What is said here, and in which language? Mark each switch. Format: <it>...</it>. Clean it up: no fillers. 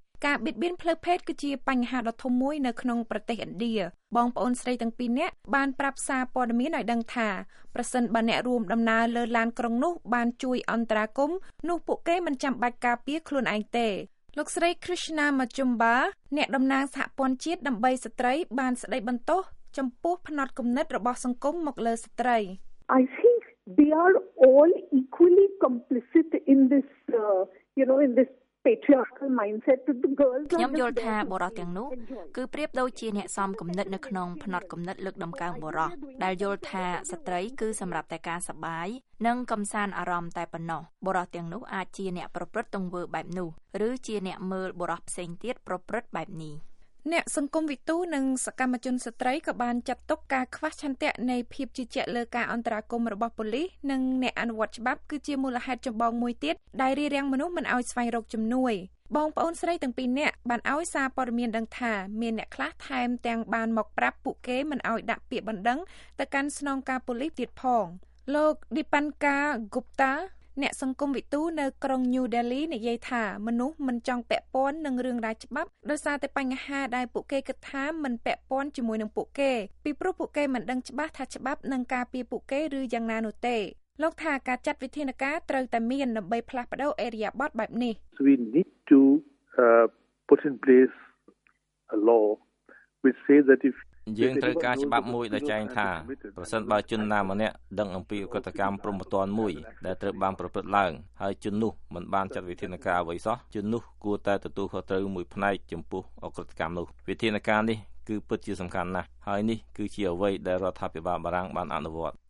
<km>ការបៀតបៀនផ្លូវភេទគឺជាបញ្ហាដ៏ធំមួយនៅក្នុងប្រទេសឥណ្ឌាបងប្អូនស្រីទាំងពីរនាក់បានប្រាប់សារព័ត៌មានឲ្យដឹងថាប្រសិនបើអ្នករួមដំណើរលើឡានក្រុងនោះបានជួយអន្តរាគមន៍នោះពួកគេមិនចាំបាច់ការពារខ្លួនឯងទេលោកស្រី Krishna Majumba អ្នកតំណាងសហព័ន្ធជាតិដើម្បីស្ត្រីបានស្ដីបន្ទោសចំពោះផ្នែកគំនិតរបស់សង្គមមកលើស្ត្រី</km> <en>I think they are all equally complicit in this in this patriarchal mindset that the girls</en> <km>ខ្ញុំយល់ថាបុរសទាំងនោះគឺប្រៀបដូចជាអ្នកសមគំនិតនៅក្នុងផ្នែកគំនិតលើកដំកើងបុរសដែលយល់ថាស្ត្រីគឺសម្រាប់តែការសប្បាយនិងកំសាន្តអារម្មណ៍តែប៉ុណ្ណោះបុរសទាំងនោះអាចជាអ្នកប្រព្រឹត្តទង្វើបែបនោះឬជាអ្នកមើលបុរសផ្សេងទៀតប្រព្រឹត្តបែបនេះ អ្នកសង្គមវិទូនិងសកម្មជនស្ត្រីក៏បានចាត់ទុកការខ្វះឆន្ទៈនៃភាពជឿជាក់លើការអន្តរាគមន៍របស់ប៉ូលីសនិងអ្នកអនុវត្តច្បាប់គឺជាមូលហេតុចម្បងមួយទៀតដែលរារាំងមនុស្សមិនឲ្យស្វែងរកជំនួយបងប្អូនស្រីទាំងពីរនាក់បានឲ្យសារព័ត៌មានដឹងថាមានអ្នកខ្លះថែមទាំងបានមកប្រាប់ពួកគេមិនឲ្យដាក់ពាក្យបណ្ដឹងទៅកាន់ស្នងការប៉ូលីសទៀតផង លោកឌីប៉ាន់កាហ្គុបតាអ្នកសង្គមវិទូនៅក្រុងញូដេលីនិយាយថាមនុស្សមិនចង់ពាក់ព័ន្ធនឹងរឿងរ៉ាវច្បាប់ដោយសារតែបញ្ហាដែលពួកគេគិតថាមិនពាក់ព័ន្ធជាមួយនឹងពួកគេពីព្រោះពួកគេមិនដឹងច្បាស់ថាច្បាប់នឹងការពារពួកគេឬយ៉ាងណានោះទេលោកថាការຈັດវិធានការត្រូវតែមានដើម្បីផ្លាស់ប្ដូរអេរីយ៉ាបត់បែបនេះ</km> <en>We need to put in place a law which says that if</en> <km>យើងត្រូវការច្បាប់មួយដែលចែងថាប្រសិនបើជនណាម្នាក់ដឹងអំពីឧក្រិដ្ឋកម្មព្រហ្មទណ្ឌមួយដែលត្រូវបានប្រព្រឹត្តឡើងហើយជននោះមិនបានចាត់វិធានការអ្វីសោះជននោះគួរតែទទួលខុសត្រូវមួយផ្នែកចំពោះឧក្រិដ្ឋកម្មនោះវិធានការនេះគឺពិតជាសំខាន់ណាស់ហើយនេះគឺជាអ្វីដែលរដ្ឋាភិបាលបារាំងបានអនុវត្ត</km>